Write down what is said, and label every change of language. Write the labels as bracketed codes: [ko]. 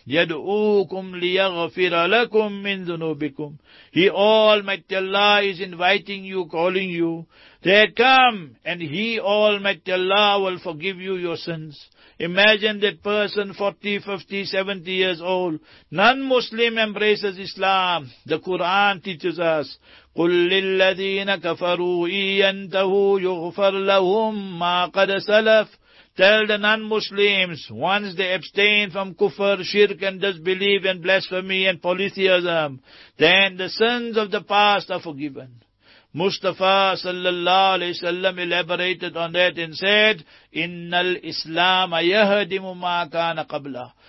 [ar] يَدْعُوكُمْ لِيَغْفِرَ لَكُمْ مِنْ ذُنُوبِكُمْ. [en] He, Almighty Allah, is inviting you, calling you. They come, and He, Almighty Allah, will forgive you your sins. Imagine that person, 40, 50, 70 years old. Non-Muslim embraces Islam. The Quran teaches us, [ar] قُلْ لِلَّذِينَ كَفَرُوا إِيَّنْتَهُ يُغْفَرْ لَهُمْ مَا قَدَ سَلَفْ. [en] Tell the non-Muslims, once they abstain from kufr, shirk and disbelief and blasphemy and polytheism, then the sins of the past are forgiven. Mustafa sallallahu alayhi wasallam elaborated on that and said, [ar] Innal Islam yahdimu ma kana qabla.